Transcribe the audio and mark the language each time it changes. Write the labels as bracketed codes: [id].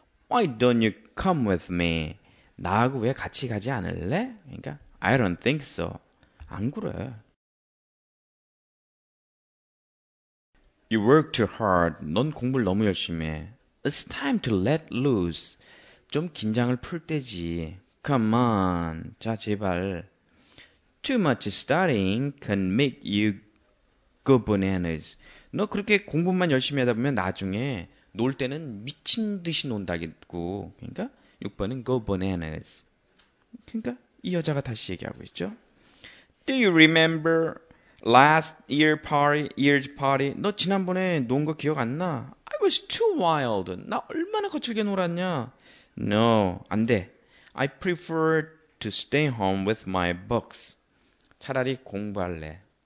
[en] Why don't you come with me? [ko] 나하고 왜 같이 가지 않을래? 그러니까 [en] I don't think so. [ko] 안 그래. [en] You work too hard. [ko] 넌 공부를 너무 열심히 해. [en] It's time to let loose. [ko] 좀 긴장을 풀 때지. [en] Come on. [ko] 자, 제발. [en] Too much studying can make you go bananas. [ko] 너 그렇게 공부만 열심히 하다 보면 나중에 놀 때는 미친 듯이 논다겠고. 그러니까 6번은 [en] go bananas. [ko] 그러니까 이 여자가 다시 얘기하고 있죠. [en] Do you remember last year year's party? [ko] 너 지난번에 논 거 기억 안 나? [en] I was too wild. [ko] 나 얼마나 거칠게 놀았냐? [en] No, [ko] 안 돼. [en] I prefer to stay home with my books. [ko] 차라리 공부할래.